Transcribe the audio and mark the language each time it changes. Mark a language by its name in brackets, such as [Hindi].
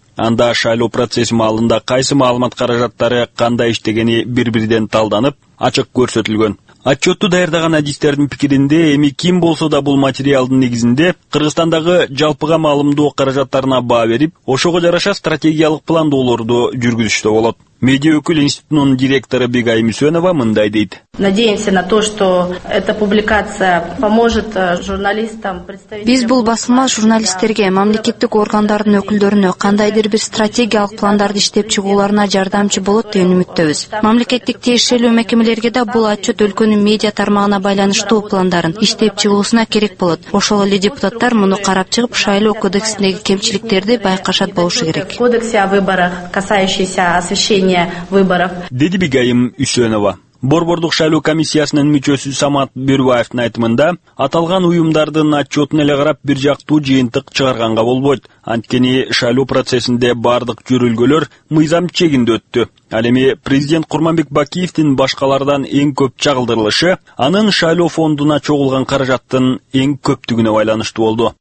[Kyrgyz] Анда шайлоо процесси маалында кайсы маалымат каражаттары кандай иштегени бир бириден талданып, ачык көрсөтүлгөн. Отчетту даярдаган адистердин пикиринде эми ким болсо да бул материалдын негизинде Кыргызстандагы жалпыга маалымдоо каражаттарына баа берип, ошого жараша стратегиялык пландоолорду жүргүзүштө болот. Медиа өкүл институтунун директору Бегай Мүсөнова мындай дейт. [Russian] Надеемся на то, что эта публикация поможет журналистам представить. [Kyrgyz] Биз бул басылма журналисттерге мамлекеттик органдардын өкүлдөрүнө кандайдыр бир стратегиялык пландарды иштеп чыгууларына жардамчы болот деген үмүттөбүз. Мамлекеттик тиешелүү мекемелерге да бул отчет өлкөнүн медиа тармагына байланыштуу пландарын иштеп чыгуусуна керек болот. Ошол эле депутаттар муну карап чыгып, шайлоо кодексиндеги кемчиликтерди байкашат болушу керек. [Russian] Кодексе о выборах, касающиеся освещения выборов. [Kyrgyz] Деди Бегайым Үсөнова. Борбордук шайлоо комиссиясынын мүчөсү Самат Бүрбаевдин айтымында, аталган уюмдардын отчетун эле карап бир жактуу жыйынтык чыгарганга болбойт. Анткени шайлоо процессинде бардык жүрүлгөлөр мыйзам чегинде өттү. Ал эми президент Курманбек Бакиевдин башкалардан эң көп чагылдырылышы анын шайлоо фондуна чогулган каражаттын эң көптүгүнө байланыштуу болду.